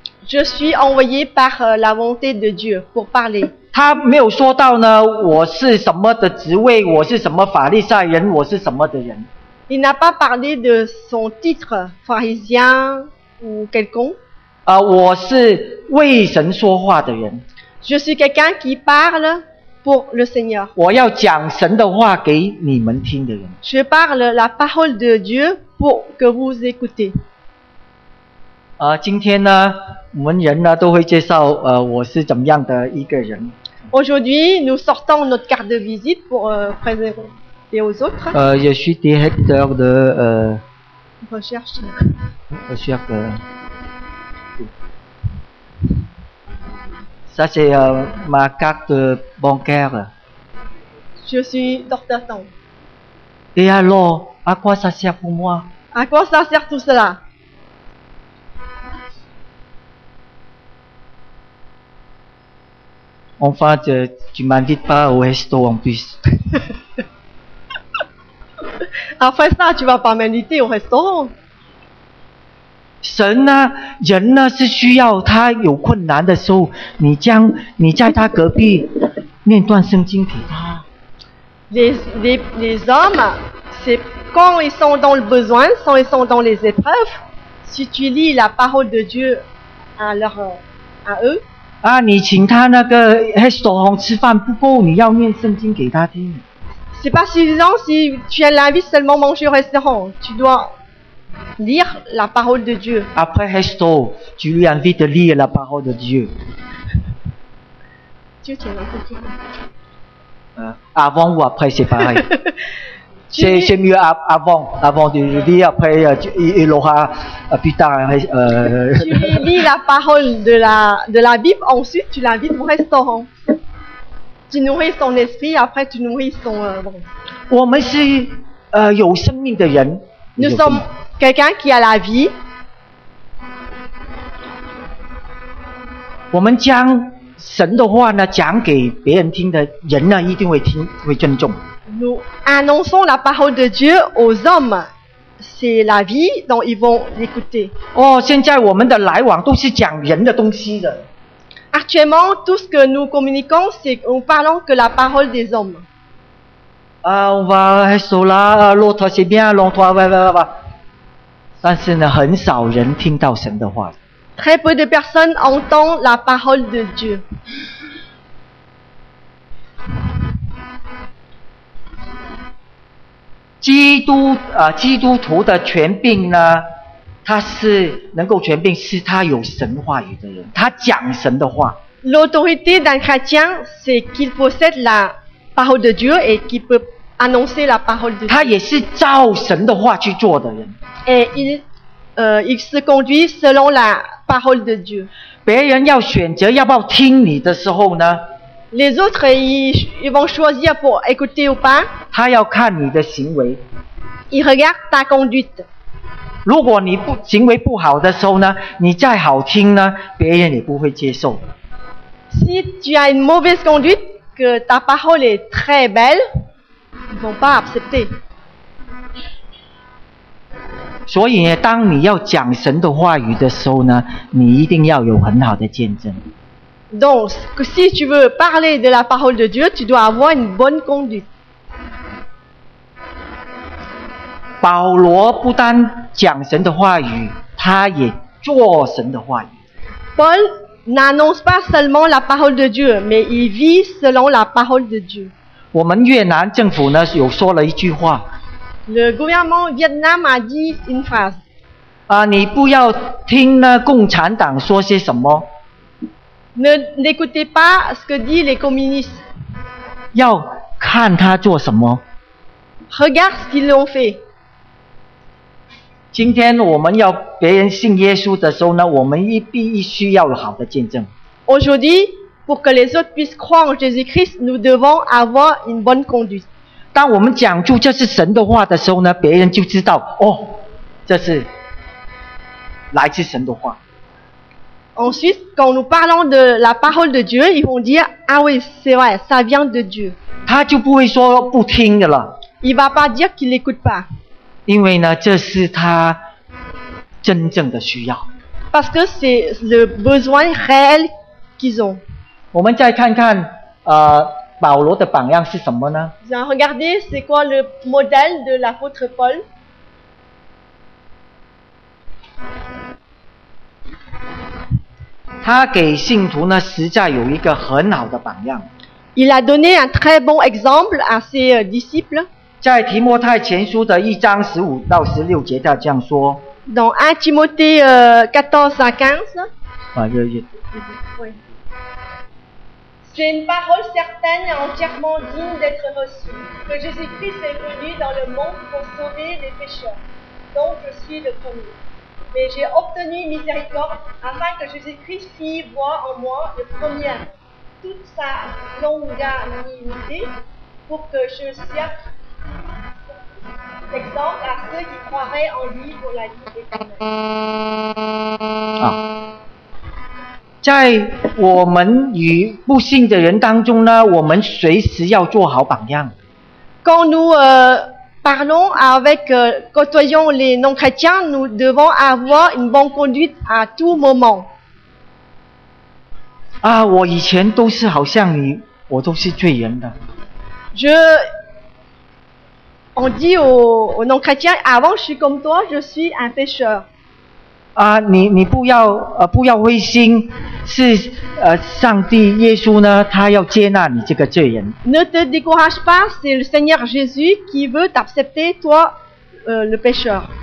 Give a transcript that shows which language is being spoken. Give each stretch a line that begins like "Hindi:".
French: Je suis envoyé par la volonté de Dieu pour parler.
Chinese: 他没有说到呢，我是什么的职位，我是什么法利赛人，我是什么的人。
French: Il n'a pas parlé de son titre, pharisien ou quelconque.
Chinese: 我是为神说话的人。
French: Je suis quelqu'un qui parle pour le Seigneur.
Chinese: 我要讲神的话给你们听的人。
French: Je parle la parole de Dieu pour que vous écoutez.
Chinese: 今天呢，我们人呢都会介绍我是怎么样的一个人。
French: Aujourd'hui, nous sortons notre carte de visite pour présenter aux autres. Je suis directeur de recherche. Recherche. De... Ça, c'est ma carte bancaire. Je suis docteur Tan. Et alors, à quoi ça sert pour moi? À quoi ça sert tout cela? Enfin, tu ne m'invites pas au resto en plus. Après ça, tu ne vas pas m'inviter au restaurant.
Chinese: 神呢，人呢是需要他有困难的时候，你在他隔壁念段圣经给他。
French: Les hommes, c'est quand ils sont dans le besoin, quand ils sont dans les épreuves, si tu lis la parole de Dieu à eux.
Chinese: 你请他那个restaurant吃饭不够，你要念圣经给他听。
French: C'est pas suffisant si tu l'invites seulement manger au restaurant, tu dois lire la parole de Dieu. Après resto, tu lui invites de lire la parole de Dieu. Dieu t'aime un peu plus. Avant ou après, c'est pareil. c'est mieux avant de lire, après il aura plus tard. Tu lis la parole de la Bible, ensuite tu l'invites au restaurant. Tu nourris son esprit, après tu nourris son. Bon.
Chinese: 我们是有生命的人。
French: Nous sommes quelqu'un qui a la vie.
Chinese: 我们将神的话呢讲给别人听的人呢一定会听会尊重。
French: Nous annonçons la parole de Dieu aux hommes. C'est la vie dont ils vont l'écouter.
Chinese: 哦，现在我们的来往都是讲人的东西的。
French: Actuellement, tout ce que nous communiquons, c'est en parlant que la parole des hommes. On va rester là, l'autre c'est bien, l'autre, va.
Chinese: 但是呢，很少人听到神的话。
French: Très peu de personnes entendent la parole de Dieu.
Chinese: 基督徒的权柄呢，他是能够权柄，是他有神话语的人，他讲神的话。
French: L'autorité d'un chrétien, c'est qu'il possède la parole de Dieu et qu'il peut annoncer la parole de Dieu.
Chinese: 他也是照神的话去做的人。
French: Et il se conduit selon la parole de Dieu.
Chinese: 别人要选择要不要听你的时候呢？
French: Les autres, ils vont choisir pour écouter ou pas.
Chinese: 他要看你的行为。
French: Il regarde ta conduite.
Chinese: 如果你不行为不好的时候呢，你再好听呢，别人也不会接受。
French: Si tu as une mauvaise conduite, que ta parole est très belle, ils vont pas accepter.
Chinese: 所以当你要讲神的话语的时候呢，你一定要有很好的见证。
French: Donc, si tu veux parler de la parole de Dieu, tu dois avoir une bonne conduite.
Chinese: 保罗不单讲神的话语，他也做神的话语。
French: Paul n'annonce pas seulement la parole de Dieu, mais il vit selon la parole de Dieu.
Chinese: 我们越南政府呢，有说了一句话。
French: Le gouvernement Vietnam a dit une phrase.
Chinese: 你不要听呢共产党说些什么。
French: N'écoutez pas ce que disent les communistes.
Chinese: 要看他做什么。
French: Regarde ce qu'ils ont fait.
Chinese: 今天我们要别人信耶稣的时候呢，我们必须要有好的见证。
French: Aujourd'hui, pour que les autres puissent croire en Jésus-Christ, nous devons avoir une bonne conduite.
Chinese: 当我们讲出这是神的话的时候呢，别人就知道哦，这是来自神的话。
French: Ensuite, quand nous parlons de la parole de Dieu, ils vont dire, ah oui, c'est vrai, ça vient de Dieu.
Chinese: 他就不会说不听的了。
French: Il va pas dire qu'il écoute pas.
Chinese: 因为呢，这是他真正的需要。
French: Parce que c'est le besoin réel qu'ils ont.
Chinese: 我们再看看保罗的榜样是什么呢？
French: Vous avez regardé, c'est quoi le modèle de l'apôtre Paul?
Chinese: 他给信徒呢，实在有一个很好的榜样。
French: Il a donné un très bon exemple à ses disciples.
Chinese: 在提摩太前书的一章十五到十六节，他这样说。
French: Dans 1 Timothée 14 à 15. C'est une parole certaine et entièrement digne d'être reçue, que Jésus-Christ est venu dans le monde pour sauver les pécheurs, dont je suis le premier. Mais j'ai obtenu miséricorde afin que Jésus-Christ fît voir en moi le premier toute sa longanimité pour que je serve d'exemple à ceux qui croiraient en lui pour la vie éternelle.
Chinese: 在我们与不信的人当中呢，我们随时要做好榜样。
French: Quand nous parlons avec côtoyons les non-chrétiens, nous devons avoir une bonne conduite à tout moment.
Chinese: 啊，我以前都是好像你，我都是罪人的。
French: On dit aux non-chrétiens, avant je suis comme toi, je suis un pécheur.
Chinese: 你不要不要灰心，是上帝耶稣呢，他要接纳你这个罪人。
French: Ne te décourage pas, c'est le Seigneur Jésus qui veut t'accepter, toi, le pécheur.